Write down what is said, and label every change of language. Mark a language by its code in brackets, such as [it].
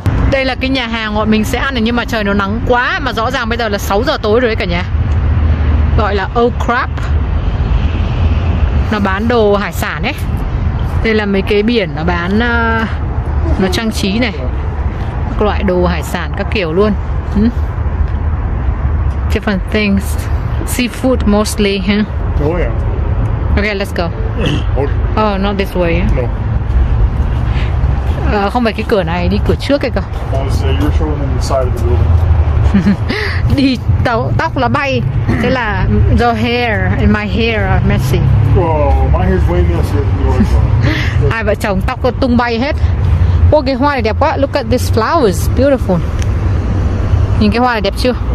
[vi] Đây là cái nhà hàng bọn mình sẽ ăn, nhưng mà trời nó nắng quá, mà rõ ràng bây giờ là 6 giờ tối rồi đấy cả nhà. Gọi là Old Crab. Nó bán đồ hải sản ấy. Đây là mấy cái biển nó bán, nó trang trí này, các loại đồ hải sản các kiểu luôn. [en] Different things, seafood mostly, huh? Oh yeah. Okay, let's go. Oh, not this way. No. [vi] Không phải cái cửa này, đi cửa trước kìa. [en] Honestly, you're showing them the side of the building. [vi] Đi tàu tóc là bay. Thế là [en] the hair and my hair are messy. Oh, my hair's way messier than yours. [vi] Hai vợ chồng tóc tung bay hết. Ô, cái hoa này đẹp quá. [en] Look at these flowers, beautiful. [vi] Nhìn cái hoa này đẹp chưa?